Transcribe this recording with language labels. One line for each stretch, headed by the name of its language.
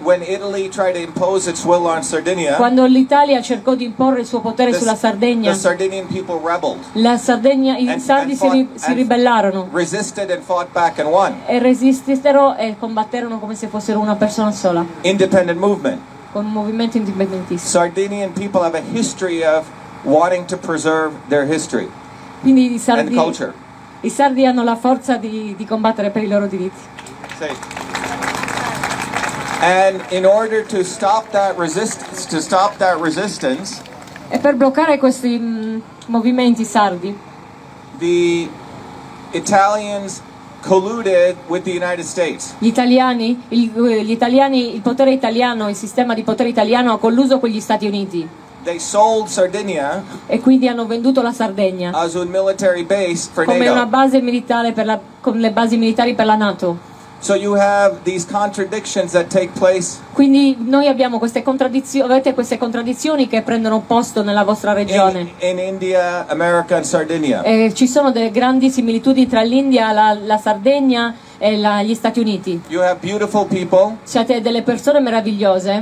English: when Italy tried to impose its will on Sardinia,
Italian: quando l'Italia cercò di imporre il suo potere sulla Sardegna,
English: the Sardinian people rebelled.
Italian: La Sardegna, i sardi si ribellarono.
English: Resisted and fought back and won.
Italian: E resistettero e combatterono come se fossero una persona sola.
English: Independent movement.
Italian: Con un movimento indipendentista.
English: Sardinian people have a history of wanting to preserve their history.
Italian: Quindi i sardi
English: and culture.
Italian: I sardi hanno la forza di combattere per i loro diritti.
English: Sì. And in order to stop that resistance,
Italian: e per bloccare questi movimenti sardi,
English: the Italians colluded with the United States.
Italian: Gli italiani, il potere italiano, il sistema di potere italiano ha colluso con gli Stati Uniti.
English: They sold Sardinia.
Italian: E quindi hanno venduto la Sardegna.
English: As a military base for
Italian: come
English: NATO.
Italian: Una base militare con le basi militari per la NATO.
English: So you have these contradictions that take place.
Italian: Quindi noi abbiamo queste contraddizioni, avete queste contraddizioni che prendono posto nella vostra regione.
English: In India, America and Sardinia.
Italian: E ci sono delle grandi similitudini tra l'India, la Sardegna e gli Stati Uniti.
English: You have beautiful people.
Italian: Siete delle persone meravigliose.